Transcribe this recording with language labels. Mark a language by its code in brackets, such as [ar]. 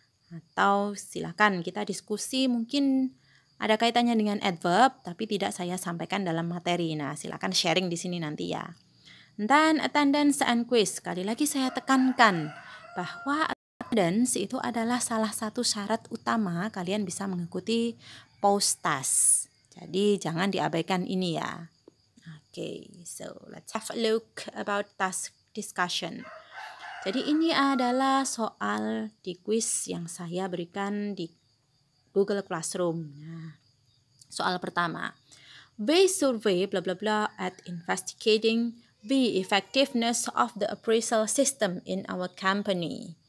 [id] Atau silakan kita diskusi, mungkin ada kaitannya dengan adverb, tapi tidak saya sampaikan dalam materi. Nah, silakan sharing di sini nanti ya. Dan attendance and quiz. Sekali lagi saya tekankan bahwa attendance itu adalah salah satu syarat utama kalian bisa mengikuti post-task. Jadi jangan diabaikan ini ya. [en] Oke, so let's have a look about task discussion. [id] Jadi ini adalah soal di quiz yang saya berikan di Google Classroom. Nah, soal pertama, [en] based survey blah blah blah at investigating the effectiveness of the appraisal system in our company.